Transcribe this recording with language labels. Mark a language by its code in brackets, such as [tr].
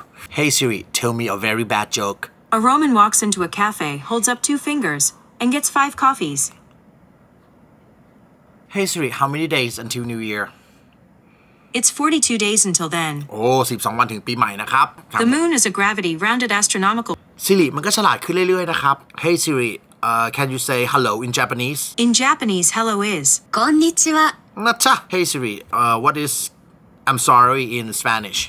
[en] Hey Siri, tell me a very bad joke. A Roman walks into a cafe, holds up two fingers, and gets 5 coffees. Hey Siri, how many days until New Year? It's 42 days until then. [th] Oh, 12วันถึงปีใหม่นะครับ [en] The moon is a gravity rounded astronomical. Siri, [th] มันก็ฉลาดขึ้นเรื่อยๆนะครับ [en] Hey Siri, can you say hello in Japanese? In Japanese, hello is. [ja] こんにちは. Nacha. [en] Hey Siri, what is I'm sorry in Spanish?